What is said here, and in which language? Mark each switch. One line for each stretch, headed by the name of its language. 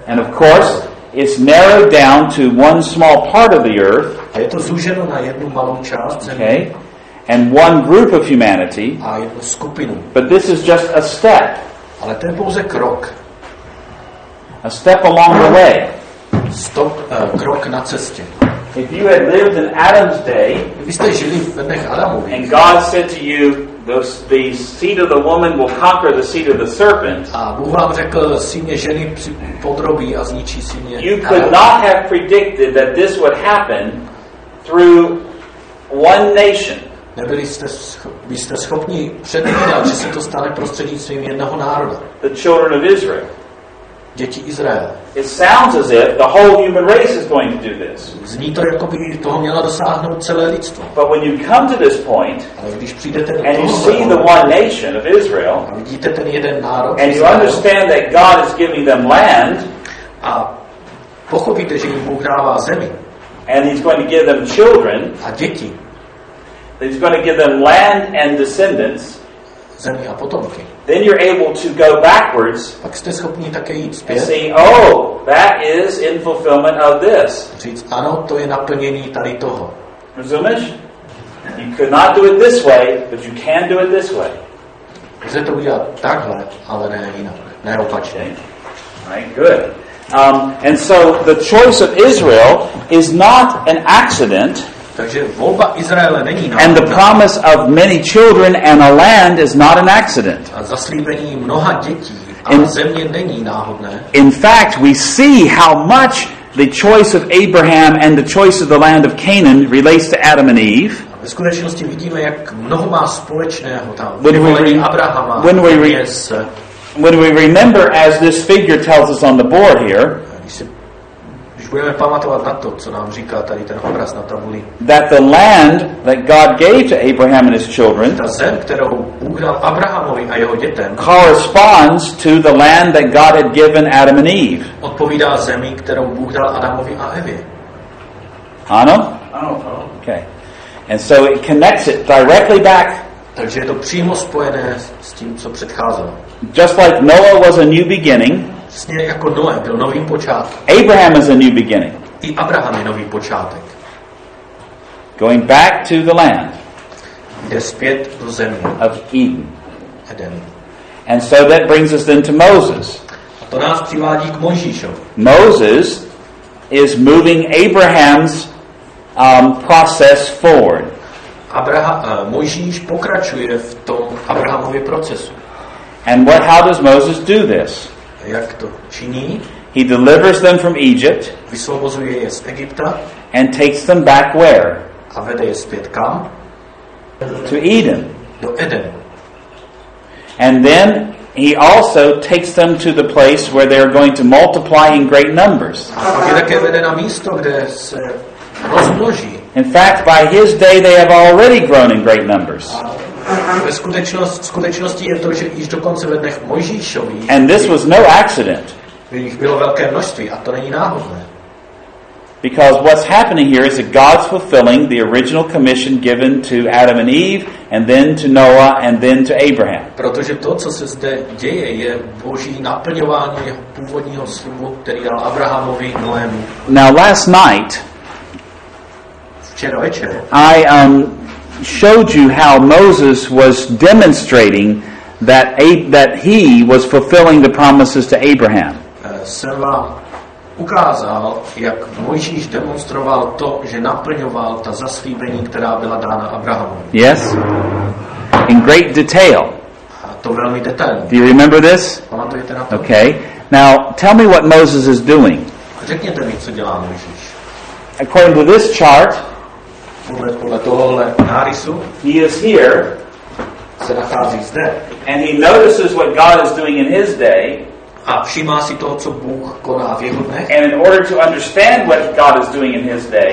English: And of course, it's narrowed down to one small part of the earth.
Czech: A je to zúženo na jednu malou část zemi.
English: Okay. And one group of humanity.
Czech: A jednu skupinu.
English: But this is just a step.
Czech: Ale to je pouze krok.
English: A step along the way.
Czech: Krok na cestě.
English: If you had lived in Adam's day,
Czech: kdybyste žili v dnech Adamových,
English: and God said to you, the seed of the woman will conquer the seed of the serpent,
Czech: a Bůh vám řekl, syně ženy podrobí a zničí syně.
English: You could not have predicted that this would happen through one nation.
Czech: Nebyli jste schopni předvídat, že se to stane prostřednictvím jednoho národa.
English: The children of Israel.
Czech: Děti Izraele.
English: It sounds as if the whole human race is going to do this.
Czech: Zní to, jako by toho měla dosáhnout celé lidstvo.
English: But when you come to this point,
Czech: ale když přijdete
English: and you see the one nation of Israel,
Czech: a vidíte ten jeden národ,
English: and you understand that God is giving them land,
Czech: a pochopíte, že jim Bůh dává zemi,
English: and he's going to give them children,
Czech: a děti.
English: He's going to give them land and descendants.
Czech: Zemi a potomky.
English: Then you're able to go backwards.
Czech: Pak jste schopni také jít zpět.
English: And say, oh, that is in fulfillment of this.
Czech: Říct, ano, to je naplnění tady toho. Rozumíš?
English: You could not do it this way, but you can do it this way.
Czech: Můžete to udělat takhle, ale ne jinak. Ne opačně.
English: Right, good. And so the choice of Israel is not an accident.
Czech: Takže volba Izraele není náhodná.
English: And the promise of many children and a land is not an accident.
Czech: A zaslíbení mnoha dětí a země není náhodné.
English: In fact, we see how much the choice of Abraham and the choice of the land of Canaan relates to Adam and Eve.
Czech: Ve skutečnosti vidíme, jak mnoho má společného tam vyvolení Abrahama.
English: When we remember, as this figure tells us on the board here,
Czech: budeme pamatovat na to, co nám říká tady ten obraz na tabuli.
English: That the land that God gave to Abraham and his children,
Czech: ta zem, kterou Bůh dal Abrahamovi a jeho dětem,
English: corresponds to the land that God had given Adam and Eve.
Czech: Odpovídá zemi, kterou Bůh dal Adamovi a Evě. Ano? Ano.
English: Okay. And so it connects it directly back.
Czech: Takže je to přímo spojené s tím, co předcházelo.
English: Just like Noah was a new beginning,
Czech: Směr jako Noé byl novým počátkem.
English: Abraham is a new beginning.
Czech: I Abraham je nový počátek.
English: Going back to the land.
Czech: Jde zpět do země.
English: Of Eden.
Czech: Eden.
English: And so that brings us then to Moses.
Czech: A to nás přivádí k Mojžíšovi.
English: Moses is moving Abraham's process forward.
Czech: Mojžíš pokračuje v tom Abrahamově procesu.
English: And what, how does Moses do this?
Czech: Jak to činí?
English: He delivers them from Egypt.
Czech: Vysvobozuje je z Egypta.
English: And takes them back where?
Czech: A vede je zpět kam?
English: To Eden.
Czech: Do Eden.
English: And then he also takes them to the place where they are going to multiply in great numbers.
Czech: A je také vede na místo, kde se rozmnoží.
English: In fact, by his day they have already grown in great numbers.
Czech: Ve skutečnosti je to, že již dokonce ve dnech Mojžíšovi.
English: And this was no accident.
Czech: Jich bylo velké množství, a to není náhodné.
English: Because what's happening here is that God's fulfilling the original commission given to Adam and Eve, and then to Noah, and then to Abraham.
Czech: Protože to, co se zde děje, je Boží naplňování jeho původního slibu, který dal Abrahamovi, Noému.
English: Now last night,
Czech: včera večer,
English: I showed you how Moses was demonstrating that that he was fulfilling the promises to Abraham.
Czech: Jsem vám ukázal, jak Mojžíš demonstroval to, že naplňoval ta zaslíbení, která byla dána Abrahamovi.
English: Yes. In great detail.
Czech: A to velmi detailně.
English: Do you remember this?
Czech: Pamatujete na to?
English: Okay. Now, tell me what Moses is doing.
Czech: Řekněte mi, co dělá Mojžíš.
English: According to this chart,
Czech: podle tohohle nárysu,
English: he is here,
Czech: se nachází zde,
English: and he notices what God is doing in his day,
Czech: a všimá si toho, co Bůh koná v jeho dnech.
English: And in order to understand what God is doing in his day,